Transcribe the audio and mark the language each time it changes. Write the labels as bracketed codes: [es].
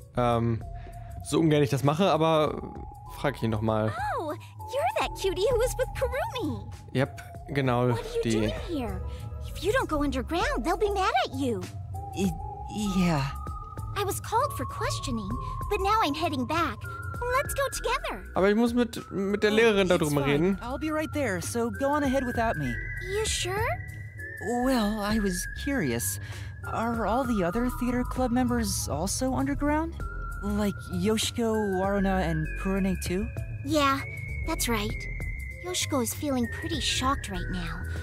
[de] So ungern ich das mache, aber frag ihn noch mal. [en] Oh, you're that cutie who was with Kurumi. [de] Yep, genau. [en] What are you die. Doing here? If you don't go underground, they'll be mad at you. Yeah. I was called for questioning, but now I'm heading back. Let's go together. [de] Aber ich muss mit der Lehrerin darüber reden. [en] I'll be right there, so go on ahead without me. You sure? Well, I was curious. Are all the other theater club members also underground? Like Yoshiko, Waruna, and Kurane too? Yeah, that's right. Yoshiko is feeling pretty shocked right now.